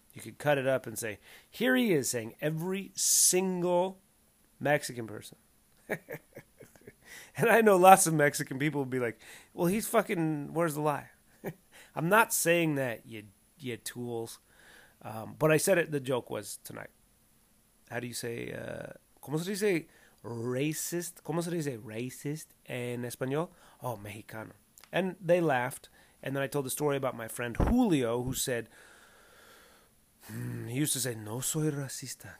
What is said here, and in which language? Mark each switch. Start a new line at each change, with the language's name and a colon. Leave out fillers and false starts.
English: You could cut it up and say, here he is saying every single Mexican person. And I know lots of Mexican people would be like, well, he's fucking, where's the lie? I'm not saying that, you tools. But I said it, the joke was tonight. How do you say,
Spanish: ¿cómo se dice racist? ¿Cómo se dice racist en español?
English: Oh, Mexicano. And they laughed. And then I told the story about my friend Julio, who said, he used to say,
Spanish: no soy racista.